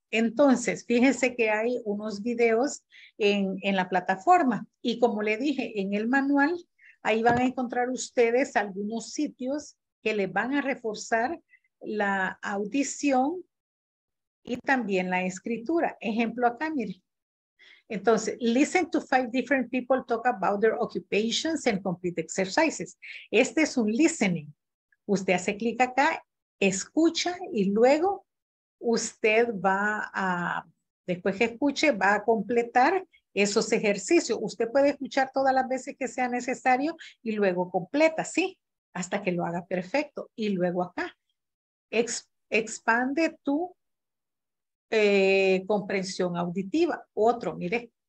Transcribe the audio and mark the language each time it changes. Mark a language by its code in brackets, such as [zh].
[es] Entonces, fíjense que hay unos videos en la plataforma y como le dije, en el manual, ahí van a encontrar ustedes algunos sitios que les van a reforzar la audición y también la escritura. Ejemplo acá, mire. Entonces, [en] listen to 5 different people talk about their occupations and complete exercises. [es] Este es un listening. Usted hace clic acá, escucha y luego usted va a, después que escuche, va a completar esos ejercicios. Usted puede escuchar todas las veces que sea necesario y luego completa, ¿sí? Hasta que lo haga perfecto. Y luego acá, expande tu comprensión auditiva. Otro, mire.